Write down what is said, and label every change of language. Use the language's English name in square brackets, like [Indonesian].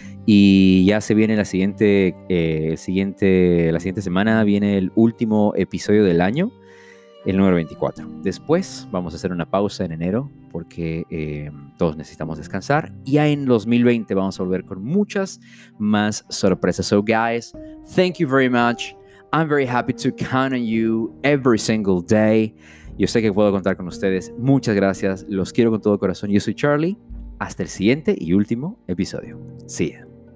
[Spanish] Y ya se viene la siguiente semana, viene el último episodio del año, el número 24. Después vamos a hacer una pausa en enero porque todos necesitamos descansar. Ya en 2020 vamos a volver con muchas más sorpresas. [English] So guys, thank you very much. I'm very happy to count on you every single day. [Spanish] Yo sé que puedo contar con ustedes. Muchas gracias. Los quiero con todo corazón. Yo soy Charlie. Hasta el siguiente y último episodio. [English] See ya.